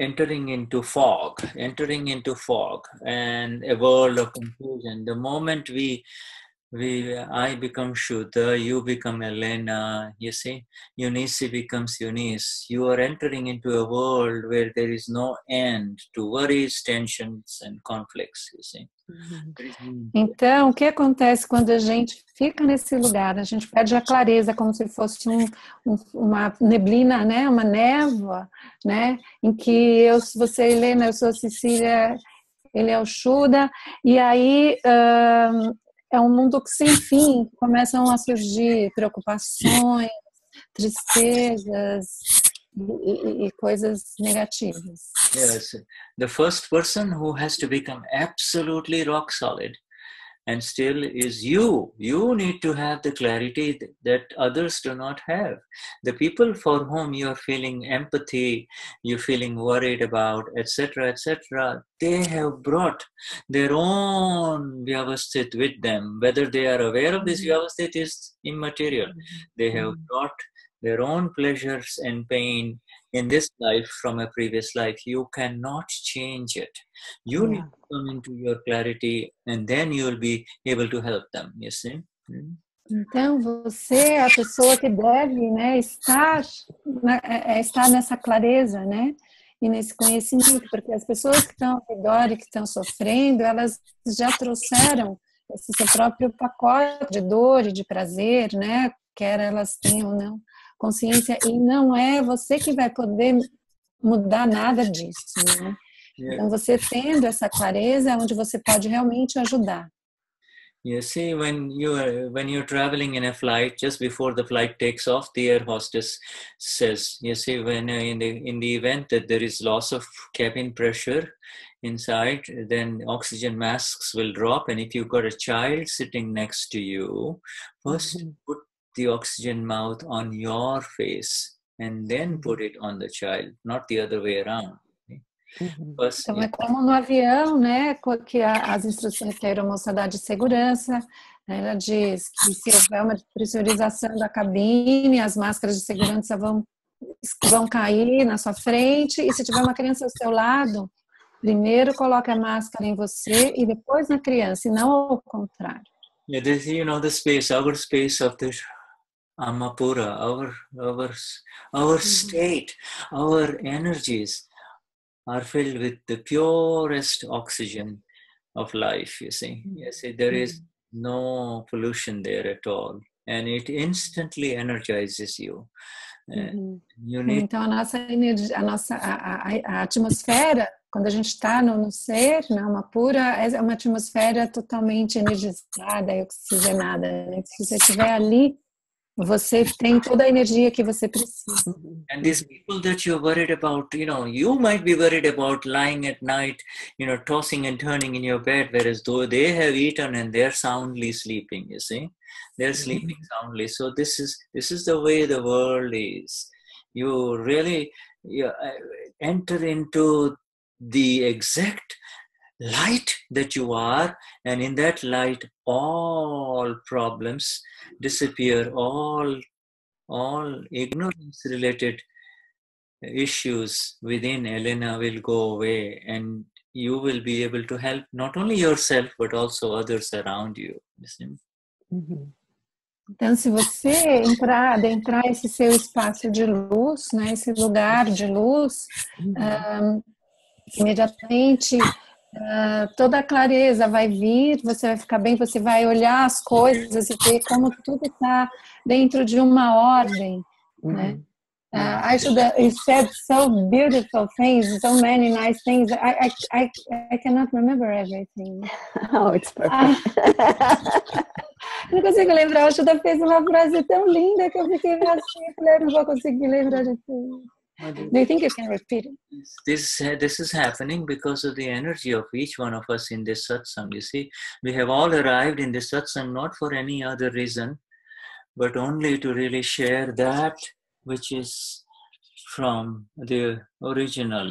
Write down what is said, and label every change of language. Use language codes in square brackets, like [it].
[en] Entering into fog, and a world of confusion. The moment I become Shuddha, you become Elena, you see? Eunice becomes Eunice. You are entering into a world where there is no end to worries, tensions, and conflicts, you see? [pt] Então, o que acontece quando a gente fica nesse lugar? A gente perde a clareza, como se fosse uma neblina, né? Uma névoa, né? Em que você é Helena, eu sou a Cecília, ele é o Shuddha. E aí é um mundo que, sem fim, começam a surgir preocupações, tristezas e coisas negativas. [en] Yes, the first person who has to become absolutely rock solid and still is you. You need to have the clarity that others do not have. The people for whom you are feeling empathy, you're feeling worried about, etc., etc., they have brought their own vyavasthit with them. Whether they are aware of this vyavasthit is immaterial. They have brought their own pleasures and pain in this life from a previous life. You cannot change it. You need to come into your clarity and then you will be able to help them, you see? [pt] Então, você é a pessoa que deve, né, estar nessa clareza, né, e nesse conhecimento, porque as pessoas que estão ao redor e que estão sofrendo, elas já trouxeram esse seu próprio pacote de dor e de prazer, né, quer elas tenham ou não consciência, e não é você que vai poder mudar nada disso, né? Então, você tendo essa clareza, é onde você pode realmente ajudar. [en] You see, when you're traveling in a flight, just before the flight takes off, the air hostess says, you see, in the event that there is loss of cabin pressure inside, then oxygen masks will drop, and if you've got a child sitting next to you, first put the oxygen mouth on your face and then put it on the child, not the other way around. [pt] First, então, é como no avião, né, que as instruções que a aeromoça dá de segurança, né, ela diz que se houver uma despressurização da cabine, as máscaras de segurança vão cair na sua frente, e se tiver uma criança ao seu lado, primeiro coloque a máscara em você e depois na criança, e não ao contrário. [en] Yeah, this, you know, the space, our space of the Amapura, our state, our energies are filled with the purest oxygen of life, you see. You see, there is no pollution there at all. And it instantly energizes you. You need... [pt] Então, a nossa energia, a atmosfera, quando a gente está no ser, na alma pura, é uma atmosfera totalmente energizada e oxigenada. Né? Se você estiver ali, você tem toda a energia que você precisa. [en] And these people that you're worried about, you know, you might be worried about lying at night, you know, tossing and turning in your bed, whereas though they have eaten and they're soundly sleeping, you see? They're sleeping soundly. So this is the way the world is. You really enter into the exact light that you are, and in that light all problems disappear, all ignorance related issues within Elena will go away, and you will be able to help not only yourself but also others around you. [pt] Então, se você adentrar esse seu espaço de luz, né, esse lugar de luz, imediatamente toda a clareza vai vir, você vai ficar bem, você vai olhar as coisas e ver como tudo está dentro de uma ordem, né? [en] You said so beautiful things, so many nice things. I cannot remember everything. Oh, it's perfect. [pt] Não consigo lembrar. A Shuddha fez uma frase tão linda que eu fiquei assim, não vou conseguir lembrar de tudo. [en] Do you think you can repeat it? This is happening because of the energy of each one of us in this satsang. You see, we have all arrived in this satsang not for any other reason, but only to really share that which is from the original.